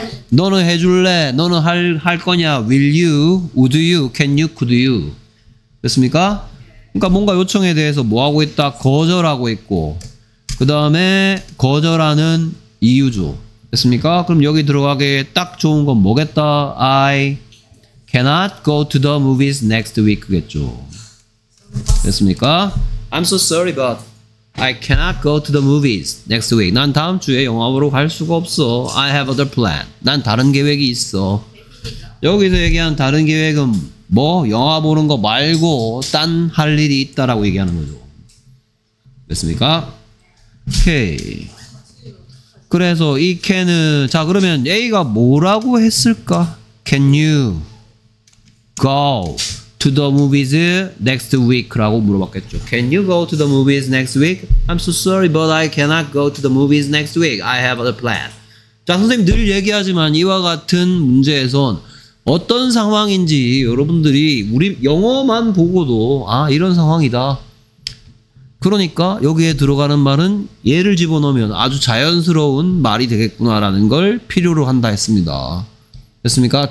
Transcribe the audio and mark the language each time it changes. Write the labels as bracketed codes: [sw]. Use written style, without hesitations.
[ko] 너는 해줄래? 너는 할 거냐? [en] Will you? Would you? Can you? Could you? [ko] 됐습니까? 그러니까 뭔가 요청에 대해서 뭐 하고 있다? 거절하고 있고, 그 다음에 거절하는 이유죠. 됐습니까? 그럼 여기 들어가기 딱 좋은 건 뭐겠다? [en] I cannot go to the movies next week겠죠. [ko] 됐습니까? [en] I'm so sorry, but I cannot go to the movies next week. [ko] 난 다음 주에 영화 보러 갈 수가 없어. [en] I have other plan. [ko] 난 다른 계획이 있어. 여기서 얘기한 다른 계획은 뭐? 영화 보는 거 말고 딴 할 일이 있다라고 얘기하는 거죠. 됐습니까? 오케이. 그래서 이 can은 자 그러면 A가 뭐라고 했을까? [en] Can you go to the movies next week [ko] 라고 물어봤겠죠. [en] Can you go to the movies next week? I'm so sorry but I cannot go to the movies next week. I have other plan. [ko] 자 선생님 늘 얘기하지만 이와 같은 문제에선 어떤 상황인지 여러분들이 우리 영어만 보고도 아 이런 상황이다. 그러니까 여기에 들어가는 말은 예를 집어넣으면 아주 자연스러운 말이 되겠구나라는 걸 필요로 한다 했습니다. 됐습니까?